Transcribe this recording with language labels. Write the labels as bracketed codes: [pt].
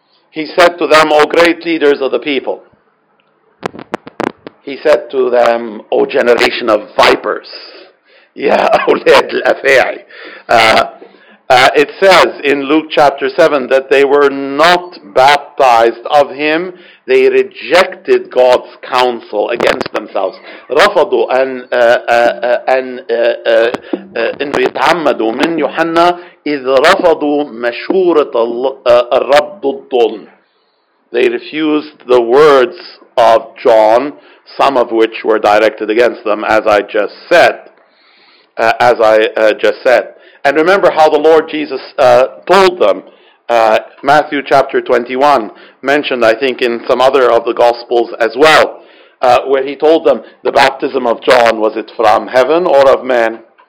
[en] He said to them, O great leaders of the people. He said to them, O generation of vipers. It says in Luke chapter 7 that they were not baptized of him. They rejected God's counsel against themselves. [ar] رفضوا أن أن يتعمدوا من يوحنا إذ رفضوا مشورة الرب ضدهم. [en] They refused the words of John, some of which were directed against them, as I just said. And remember how the Lord Jesus told them, Matthew chapter 21, mentioned I think in some other of the Gospels as well, where he told them, the baptism of John, was it from heaven or of men?